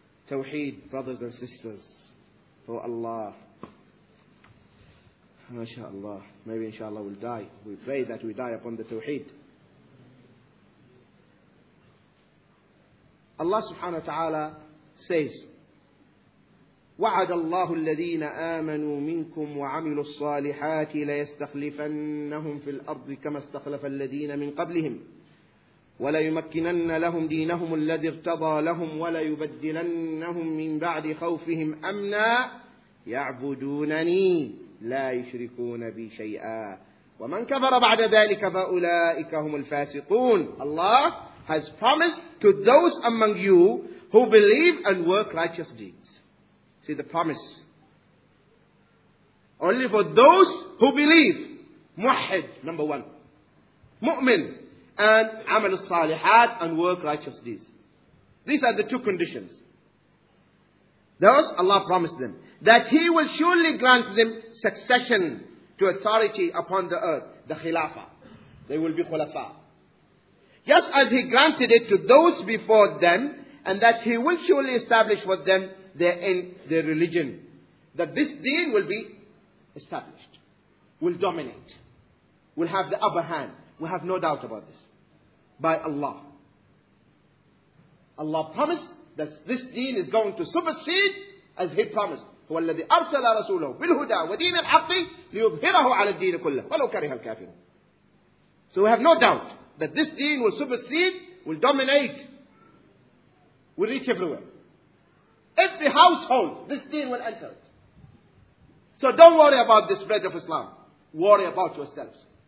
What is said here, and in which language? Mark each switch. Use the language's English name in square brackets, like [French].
[English] Tawheed, brothers and sisters, for Allah. MashaAllah. Maybe inshaAllah we'll die. We pray that we die upon the Tawheed. Allah subhanahu wa ta'ala says, [Arabic] وَعَدَ اللَّهُ الَّذِينَ آمَنُوا مِنْكُمْ وَعَمِلُوا الصَّالِحَاتِ لَيَسْتَخْلِفَنَّهُمْ فِي الْأَرْضِ كَمَا اسْتَخْلَفَ الَّذِينَ مِنْ قَبْلِهِمْ وَلَيُمَكِّنَنَّ لَهُمْ دِينَهُمُ الَّذِي ارْتَضَى لَهُمْ وَلَيُبَدِّلَنَّهُمْ مِنْ بَعْدِ خَوْفِهِمْ أَمْنًا يَعْبُدُونَنِي لَا يُشْرِكُونَ بِي شَيْئًا وَمَنْ كَفَرَ بَعْدَ ذَلِكَ فَأُولَئِكَ هُمُ الْفَاسِقُونَ. [English] Allah has promised to those among you who believe and work righteous deeds. See the promise. Only for those who believe. Muwahhid, number one. Mu'min. And amal salihat and work righteous deeds. These are the two conditions. Those Allah promised them that He will surely grant them succession to authority upon the earth, the khilafa. They will be khulafa. Just as He granted it to those before them, and that He will surely establish for them their religion. That this deen will be established, will dominate, will have the upper hand. We have no doubt about this. By Allah. Allah promised that this deen is going to supersede as He promised. [Arabic] هو الذي أرسل رسوله بالهدى ودين الحق ليظهره على الدين كله ولو كره الكافرون. [English] So we have no doubt that this deen will supersede, will dominate, will reach everywhere. Every household, this deen will enter it. So don't worry about the spread of Islam. Worry about yourselves.